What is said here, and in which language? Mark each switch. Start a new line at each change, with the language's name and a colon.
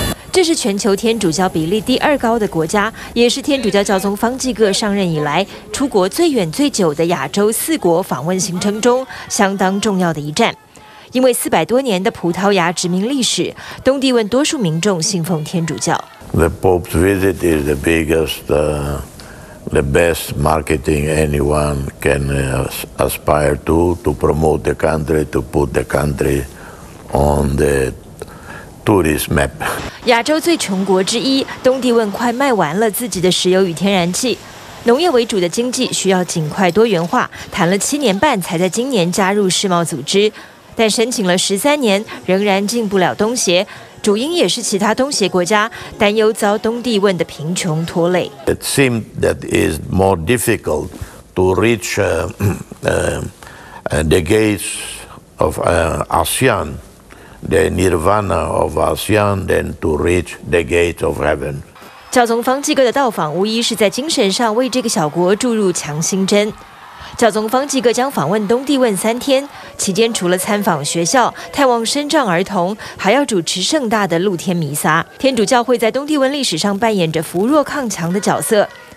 Chinese: 这是全球天主教比例第二高的国家，也是天主教教宗方济各上任以来出国最远最久的亚洲四国访问行程中相当重要的一站。因为400多年的葡萄牙殖民历史，东帝汶多数民众信奉天主教。
English: The Pope's visit is the biggest, the best marketing anyone can aspire to promote the country, to put the country on the tourist map.
Chinese: 亚洲最穷国之一，东帝汶快卖完了自己的石油与天然气。农业为主的经济需要尽快多元化，谈了7年半才在今年加入世贸组织。但申请了13年，仍然进不了东协，主因也是其他东协国家担忧遭东帝汶的贫穷拖累。
English: It seems that is more difficult to reach the gates of ASEAN, the nirvana of ASEAN, than to reach the gates of heaven.
Chinese: 教宗方济各的到访无疑是在精神上为这个小国注入强心针。教宗方济各将访问东帝汶3天，期间除了参访学校、探望身障儿童，还要主持盛大的露天弥撒。天主教会在东帝汶历史上扮演着扶弱抗强的角色。